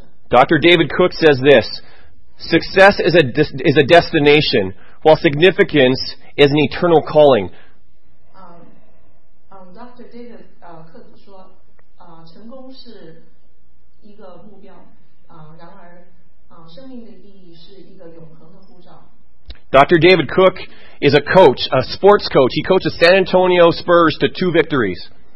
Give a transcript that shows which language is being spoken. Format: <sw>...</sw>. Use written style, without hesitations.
<en>Dr. David Cook says this, Success is a destination, while significance is an eternal calling. Dr.</en> <zh>David Kurtz 说，成功是一个目标，然而，生命的意义是一个永恒的护照。</zh> <en>Dr. David Cook is a coach, a sports coach. He coaches San Antonio Spurs to 2 victories.</en>